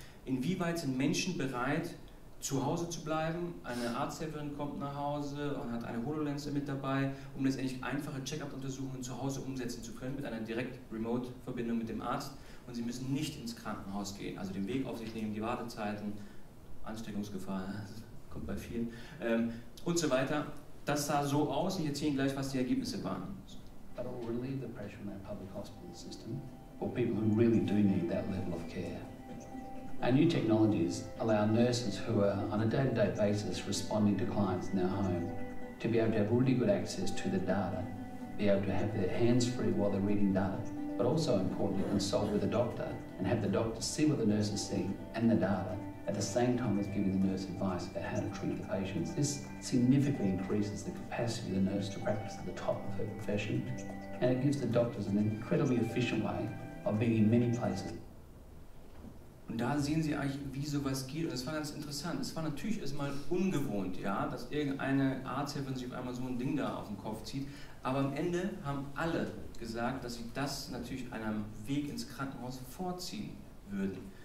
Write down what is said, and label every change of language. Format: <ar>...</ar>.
<de>Inwieweit sind Menschen bereit, zu Hause zu bleiben, eine Arzthelferin kommt nach Hause und hat eine HoloLens mit dabei, um letztendlich einfache Check-up-Untersuchungen zu Hause umsetzen zu können, mit einer Direkt-Remote-Verbindung mit dem Arzt. Und Sie müssen nicht ins Krankenhaus gehen, also den Weg auf sich nehmen, die Wartezeiten, Ansteckungsgefahr, das kommt bei vielen, und so weiter. Das sah so aus, ich erzähle Ihnen gleich, was die Ergebnisse waren.</de> <en>But it will relieve the pressure in that public hospital system for people who really do need that level of care. Our new technologies allow nurses who are on a day-to-day basis responding to clients in their home to be able to have really good access to the data, be able to have their hands free while they're reading data, but also importantly consult with a doctor and have the doctor see what the nurse is seeing and the data at the same time as giving the nurse advice about how to treat the patients. This significantly increases the capacity of the nurse to practice at the top of her profession, and it gives the doctors an incredibly efficient way of being in many places.</en> <de>Und da sehen Sie eigentlich, wie sowas geht. Und das war ganz interessant. Es war natürlich erstmal ungewohnt, ja, dass irgendeine Arzthelferin sich auf einmal so ein Ding da auf den Kopf zieht. Aber am Ende haben alle gesagt, dass sie das natürlich einem Weg ins Krankenhaus vorziehen würden.</de>